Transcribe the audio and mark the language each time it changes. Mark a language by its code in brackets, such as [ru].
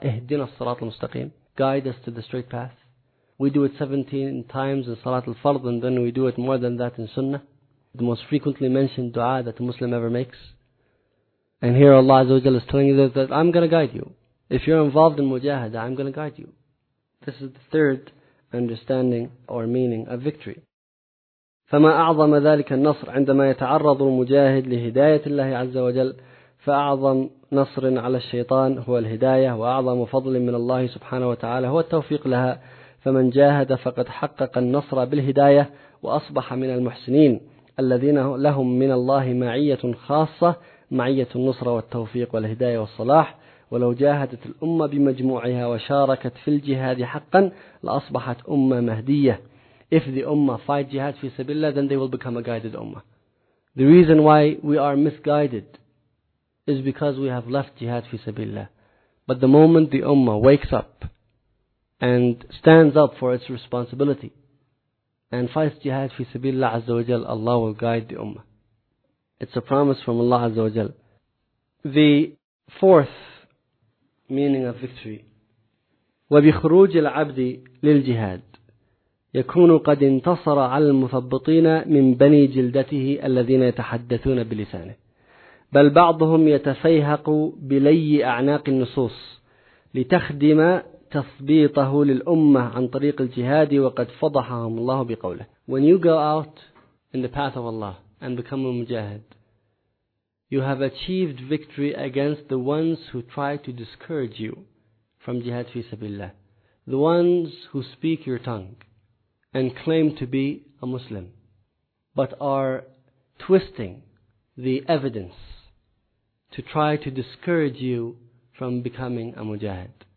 [ar] Ihdina as-salat al-mustaqim. [en] Guide us to the straight path. We do it 17 times in salat al-fard, and then we do it more than that in sunnah. The most frequently mentioned dua that a Muslim ever makes. And here Allah Azza wa Jalla is telling you that I'm going to guide you. If you're involved in mujahada, I'm going to guide you. This is the third understanding or meaning of victory. [ar] فما أعظم ذلك النصر عندما يتعرض المجاهد لهداية الله عز وجل فأعظم نصر على الشيطان هو الهداية وأعظم فضل من الله سبحانه وتعالى هو التوفيق لها فمن جاهد فقد حقق النصر بالهداية وأصبح من المحسنين الذين لهم من الله معية خاصة معية النصر والتوفيق والهداية والصلاح ولو جاهدت الأمة بمجموعها وشاركت في الجهاد حقا لأصبحت أمة مهدية. [en] If the ummah fight jihad fi sabillah, then they will become a guided ummah. The reason why we are misguided is because we have left jihad fi sabillah. But the moment the ummah wakes up and stands up for its responsibility and fights jihad fi sabillah azza wa jal, Allah will guide the ummah. It's a promise from Allah azza wa jal. The fourth meaning of victory, [ar] وبخروج العبد للجهاد يكون قد انتصر على المثبطين من بني جلدته الذين يتحدثون بلسانه بل بعضهم يتفيهق بلي أعناق النصوص لتخدم تثبيطه للأمة عن طريق الجهاد وقد فضحهم الله بقوله. [en] When you go out in the path of Allah and become a mujahid, you have achieved victory against the ones who try to discourage you from jihad fi sabilillah, the ones who speak your tongue and claim to be a Muslim, but are twisting the evidence to try to discourage you from becoming a mujahid.